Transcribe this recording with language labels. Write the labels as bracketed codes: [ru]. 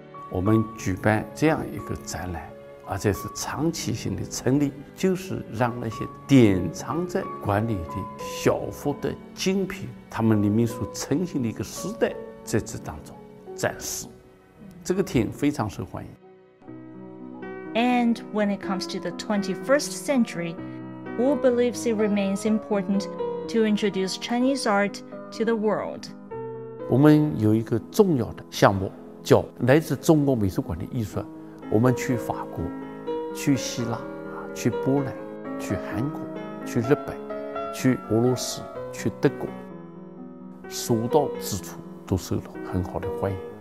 [zh] 我们举办这样一个展览，而且是长期性的成立，就是让那些典藏在馆里的小幅的精品，他们里面所呈现的一个时代在这当中展示。这个厅非常受欢迎。 [en] And when it comes to the 21st century, Wu believes it remains important to introduce Chinese art to the world. [zh] 我们有一个重要的项目叫来自中国美术馆的艺术，我们去法国、去希腊、去波兰、去韩国、去日本、去俄罗斯、去德国，所到之处都受到很好的欢迎。